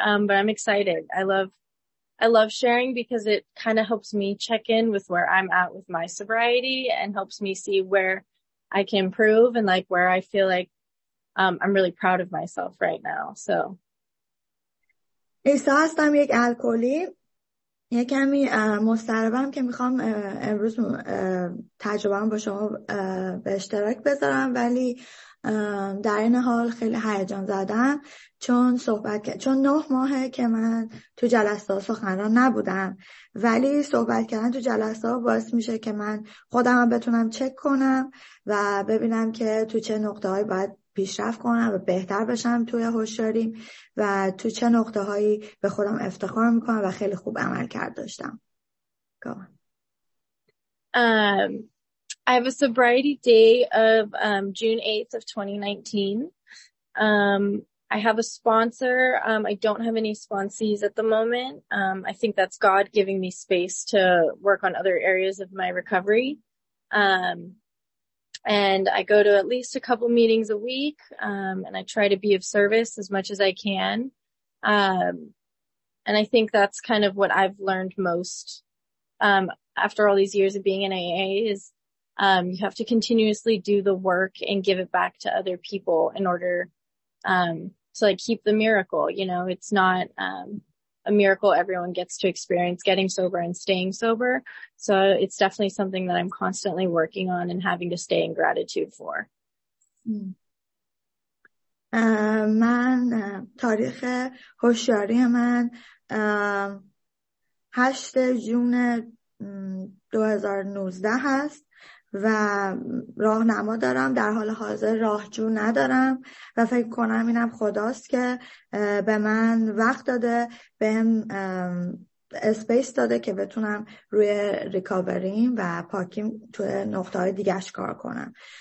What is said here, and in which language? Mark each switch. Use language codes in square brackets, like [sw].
[en] But I'm excited. I love sharing because it kind of helps me check in with where I'm at with my sobriety and helps me see where I can improve and like where I feel like I'm really proud of myself right now. So. [fa] ایسا هستم یک الکلی. یک کمی مضطربم که میخوام امروز تجربه‌ام با شما به اشتراک بذارم ولی در این حال خیلی هیجان زدم چون 9 ماهه که من تو جلسه سخنران نبودم ولی صحبت کردن تو جلسه باعث میشه که من خودم بتونم چک کنم و ببینم که تو چه نقطه هایی باید پیشرفت کنم و بهتر بشم توی هوشیاریم و تو چه نقطه هایی به خودم افتخار میکنم و خیلی خوب عمل کرد داشتم. [en] I have a sobriety day of June 8th of 2019. I have a sponsor. I don't have any sponsees at the moment. I think that's God giving me space to work on other areas of my recovery. And I go to at least a couple meetings a week, and I try to be of service as much as I can. And I think that's kind of what I've learned most after all these years of being in AA is you have to continuously do the work and give it back to other people in order to like keep the miracle. You know, it's not a miracle everyone gets to experience getting sober and staying sober. So it's definitely something that I'm constantly working on and having to stay in gratitude for. [fa] من تاریخ هوشیاری من 8 جون 2019 هست. و راه نما دارم در حال حاضر راهجو ندارم و فکر کنم اینم خداست که به من وقت داده به هم اسپیس داده که بتونم روی ریکاوریم و پاکیم توی نقطه های دیگرش کار کنم.